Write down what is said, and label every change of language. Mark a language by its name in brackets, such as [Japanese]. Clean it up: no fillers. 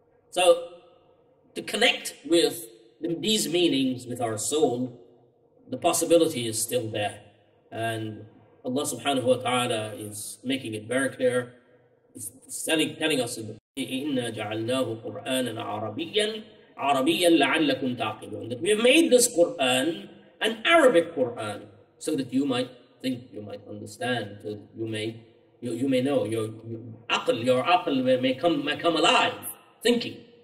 [English] So to connect with these meanings with our soul, the possibility is still there. And Allah subhanahu wa ta'ala is making it very clear. He's telling us [Arabic] إِنَّا جَعَلْنَاهُ قُرْآنًا عَرَبِيًّا لَعَلَّكُمْ تَعْقِلُونَ. [English] That we have made this Quran an Arabic Quran so that you might think, you might understand, so you may know, your aql may come alive, thinking.